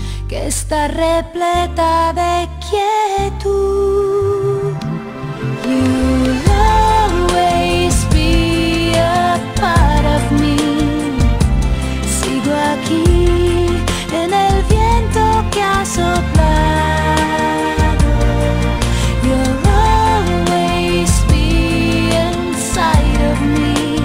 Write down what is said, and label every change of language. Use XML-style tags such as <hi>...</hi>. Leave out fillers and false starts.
<es>Está repleta de quietud.</es> <en>You'll always be a part of me.</en> <es>Sigo aquí en el viento que ha soplado.</es> <en>You'll always be inside of me.</en>